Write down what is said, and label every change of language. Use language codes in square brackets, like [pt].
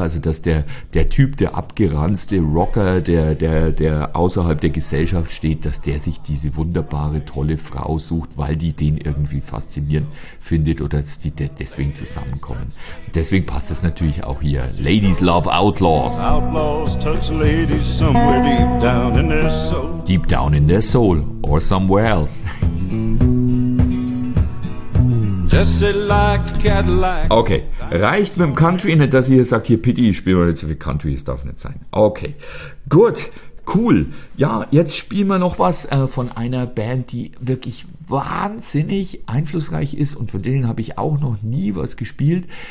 [de] Also dass der Typ, der abgeranzte Rocker, der außerhalb der Gesellschaft steht, dass der sich diese wunderbare, tolle Frau sucht, weil die den irgendwie faszinierend findet oder dass die deswegen zusammenkommen. Deswegen passt es natürlich auch hier. [en] Ladies love outlaws. Outlaws touch ladies somewhere deep down in their soul. Deep down in their soul or somewhere else. Jesse liked Cadillac. [de] Okay, reicht mit dem Country nicht, dass ihr sagt, hier Pity, ich spiele mal nicht so viel Country, es darf nicht sein. Okay, gut. Cool. Ja, jetzt spielen wir noch was von einer Band, die wirklich wahnsinnig einflussreich ist und von denen habe ich auch noch nie was gespielt.